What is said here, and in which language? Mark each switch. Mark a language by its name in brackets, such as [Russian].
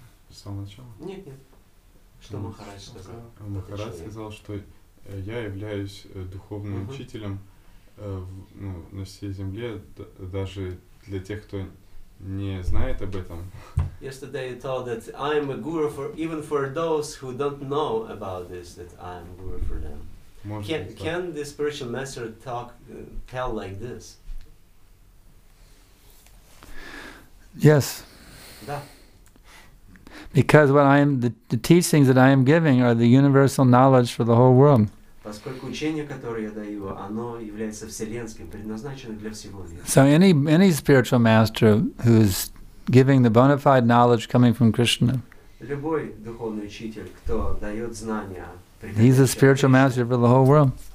[Russian] С самого начала? Нет. Что Махарадж сказал? Махарадж сказал, что я являюсь духовным учителем на всей земле, даже для тех, кто не знает об этом. [English] Yesterday you told that I am a guru for even for those who don't know about this, that I am a guru for them. Can the spiritual master tell like this? Yes. [Russian] Да. [English] Because what I am, the teachings that I am giving are the universal knowledge for the whole world. [Russian] Поскольку учение, которое я даю, оно является вселенским, предназначено для всего мира. [English] So any spiritual master who is giving the bona fide knowledge coming from Krishna. [Russian] Любой духовный учитель, кто дает знания. [English] He's a spiritual master for the whole world.